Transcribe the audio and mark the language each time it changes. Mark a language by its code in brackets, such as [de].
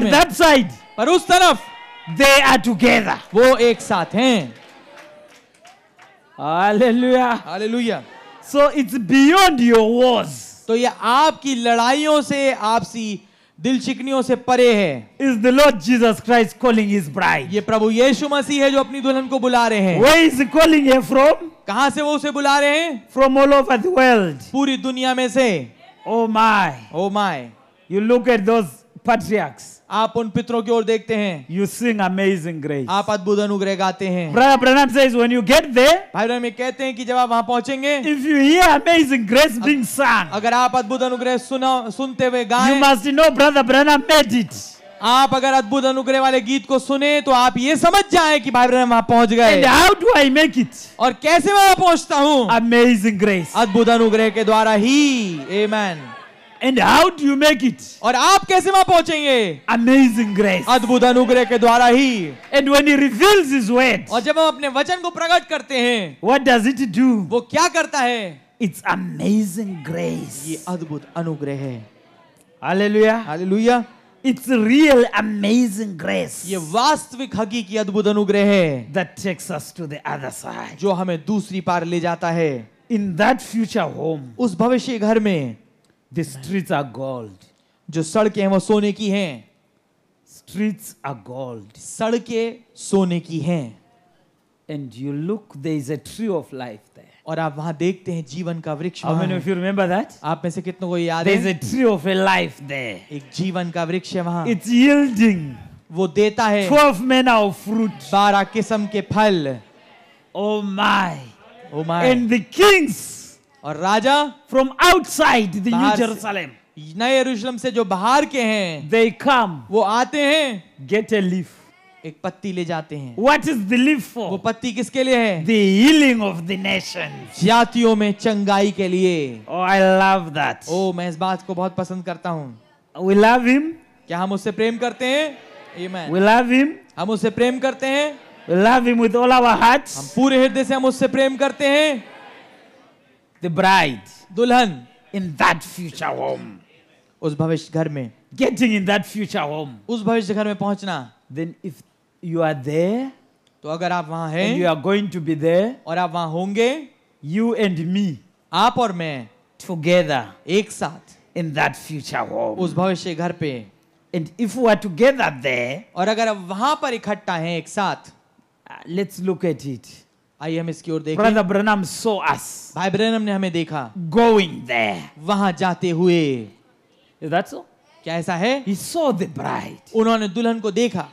[en] But that side. [hi] पर उस तरफ. [en] They are together. [hi] वो एक साथ हैं. Hallelujah. Hallelujah. [en] So it's beyond your wars. [hi] तो ये आपकी लड़ाइयों से आपसी दिल शिकनियों से परे है. [en] Is the Lord Jesus Christ calling his bride? [hi] ये प्रभु यीशु मसीह है जो अपनी दुल्हन को बुला रहे हैं. [en] Where is he calling her from? [hi] कहां से वो उसे बुला रहे हैं? [en] From all over the world. [hi] पूरी दुनिया में से. [en] Oh my. Oh my. You look at those patriarchs. [hi] आप उन पितरों की ओर देखते हैं. [en] You sing amazing grace. [hi] आप अद्भुत अनुग्रह गाते हैं. [en] Brother Branham says when you get there. [hi] भाई ब्रैनम कहते हैं कि जब आप वहां पहुंचेंगे. [en] If you hear amazing grace being sung. [hi] अगर आप अद्भुत अनुग्रह सुनते हुए गाएं. [en] You must know Brother Branham made it. [hi] आप अगर अद्भुत अनुग्रह वाले गीत को सुने तो आप ये समझ जाएं कि भाई ब्रैनम वहां पहुंच गए [en] And how do I make it? [hi] और कैसे मैं वहां पहुंचता हूं [en] Amazing grace. [hi] अद्भुत अनुग्रह के द्वारा ही Amen. [en] And how do you make it? [hi] और आप कैसे वहां पहुंचेंगे [en] Amazing grace. [hi] अद्भुत अनुग्रह के द्वारा ही [en] And when he reveals his word. [hi] और जब हम अपने वचन को प्रकट करते हैं [en] What does it do? [hi] वो क्या करता है [en] It's amazing grace. [hi] ये अद्भुत अनुग्रह है Hallelujah. Hallelujah. [en] It's real amazing grace. [hi] ये वास्तविक हकीकी अद्भुत अनुग्रह है. [en] That takes us to the other side. [hi] जो हमें दूसरी पार ले जाता है. [en] In that future home. [hi] उस भविष्य घर में. [en] The streets are gold. [hi] जो सड़कें हैं वो सोने की हैं. [en] Streets are gold. [hi] सड़कें सोने की हैं. [en] And you look, there is a tree of life there. [hi] और आप वहां देखते हैं जीवन का वृक्ष [en] How many of you remember that? [hi] आप में से कितनों को याद [en] There is a tree of a life there. [hi] एक जीवन का वृक्ष है वहां. [en] It's yielding. [hi] वो देता है. [en] 12 manner of fruit. [hi] 12 किस्म के फल. [en] Oh my. Oh my. And the kings. [hi] और राजा. [en] From outside the New Jerusalem. [hi] नए यरूशलम से जो बाहर के हैं. [en] They come. [hi] वो आते हैं. [en] Get a leaf. [hi] एक पत्ती ले जाते हैं [en] What is the leaf for? [hi] वो पत्ती किसके लिए है? [en] The healing of the nations. [hi] जातियों में चंगाई के लिए [en] Oh, I love that. [hi] ओ, मैं इस बात को बहुत पसंद करता हूँ [en] We love him. [hi] क्या हम उससे प्रेम करते हैं? Amen. [en] We love him. [hi] हम उससे प्रेम करते हैं? [en] We love him with all our hearts. [hi] हम पूरे हृदय से हम उससे प्रेम करते हैं? [en] The bride. [hi] दुल्हन. [en] In that future home. [hi] उस भविष्य घर में. [en] Getting in that future home. [hi] उस भविष्य घर में पहुंचना. [en] Then if You are there. [hi] तो अगर आप वहां हैं. [en] And you are going to be there. [hi] और आप वहां होंगे. [en] You and me. [hi] आप और मैं. [en] Together. [hi] एक साथ. [en] In that future home. [hi] उस भविष्य घर पे. [en] And if we are together there. [hi] और अगर आप वहां पर इकट्ठा हैं एक साथ. [en] Let's look at it. [hi] आइए हम इसकी ओर देखें. [en] Brother Branham saw us. [hi] भाई ब्रैनम ने हमें देखा. [en] Going there. [hi] वहां जाते हुए. [en] Is that so? [hi] क्या ऐसा है? [en] He saw the bride. [hi] उन्होंने दुल्हन को देखा.